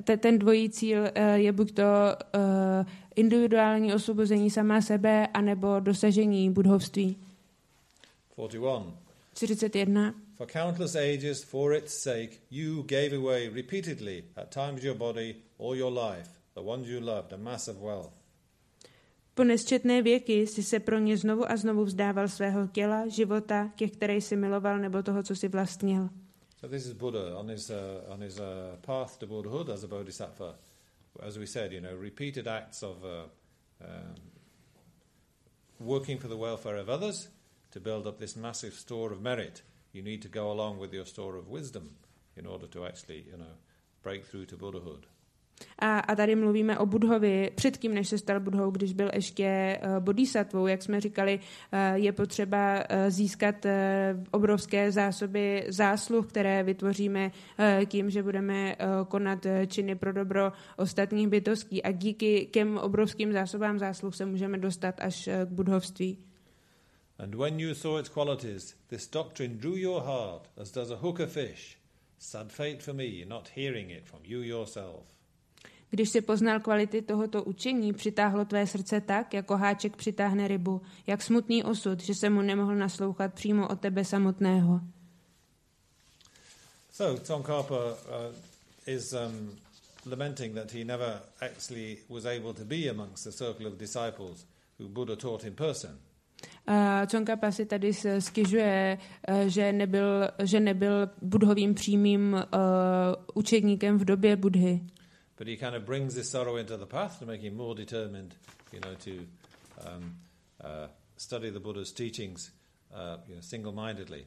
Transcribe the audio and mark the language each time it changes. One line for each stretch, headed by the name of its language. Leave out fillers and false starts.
Czech: Ten dvojí cíl je buď to individuální osvobození sama sebe, anebo dosažení budhovství.
English: 41. For countless ages, for its sake, you gave away repeatedly, at times your body, or your life, the ones you loved, a mass of wealth.
Czech: Po nesčetné věky jsi se pro ně znovu a znovu vzdával svého těla, života, ke které jsi miloval, nebo toho, co jsi vlastnil.
English: So this is Buddha on his path to Buddhahood as a bodhisattva. As we said, you know, repeated acts of working for the welfare of others to build up this massive store of merit. You need to go along with your store of wisdom in order to actually, you know, break through to Buddhahood.
Czech: A tady mluvíme o Buddhovi předtím, než se stal Buddhou, když byl ještě bodhisattvou. Jak jsme říkali, je potřeba získat obrovské zásoby zásluh, které vytvoříme tím, že budeme konat činy pro dobro ostatních bytostí. A díky těm obrovským zásobám zásluh se můžeme dostat až k budhovství.
English: And when you saw its qualities, this doctrine drew your heart as does a hook a fish. Sad fate for me, not hearing it from you yourself.
Czech: Když jsi poznal kvality tohoto učení, přitáhlo tvé srdce tak, jako háček přitáhne rybu. Jak smutný osud, že se mu nemohl naslouchat přímo od tebe samotného.
English: So, Tsongkhapa is lamenting that he never actually was able to be amongst the circle of disciples who Buddha taught in person.
Czech: Tsongkhapa si tady stěžuje, že nebyl Buddhovým přímým učedníkem v době Buddhy.
English: But he kind of brings this sorrow into the path to make him more determined, you know, to study the Buddha's teachings single-mindedly.